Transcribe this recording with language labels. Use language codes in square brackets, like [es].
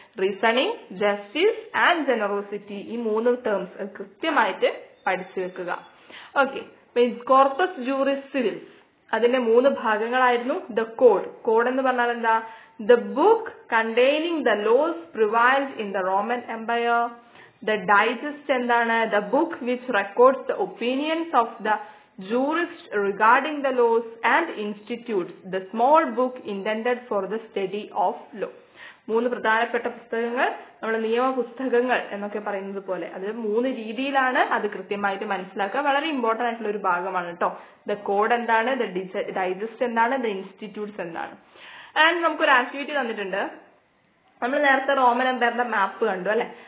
[ml] Reasoning justice and generosity. ഈ മൂന്ന് terms കൃത്യമായിട്ട് പഠിച്ചു വെക്കുക. ഓക്കെ, കോർപ്പസ് ജൂറിസ് സിവിൽസ് അതിന്റെ മൂന്ന് ഭാഗങ്ങളായിരുന്നു. [en] the code, [ml] കോഡ് എന്ന് പറഞ്ഞാൽ എന്താ? [en] The book containing the laws prevailed in the Roman empire. [ml] The digest എന്താണ്? [en] The book which records the opinions of the jurists regarding the laws and institutes, the small book intended for the study of law. [ml] മൂന്ന് പ്രധാനപ്പെട്ട പുസ്തകങ്ങൾ, നമ്മുടെ നിയമപുസ്തകങ്ങൾ എന്നൊക്കെ പറയുന്നത് പോലെ അത് മൂന്ന് രീതിയിലാണ് അത് കൃത്യമായിട്ട് മനസ്സിലാക്കുക. വളരെ ഇമ്പോർട്ടൻ്റ് ആയിട്ടുള്ള ഒരു ഭാഗമാണ് കേട്ടോ. ദ കോഡ് എന്താണ്, ദ ഡൈജസ്റ്റ് എന്താണ്, ദ ഇൻസ്റ്റിറ്റ്യൂട്ട്സ് എന്താണ്. ആൻഡ് നമുക്കൊരു ആക്ടിവിറ്റി തന്നിട്ടുണ്ട്. നമ്മൾ നേരത്തെ റോമൻ എംപയറിന്റെ മാപ്പ് കണ്ടു അല്ലെ.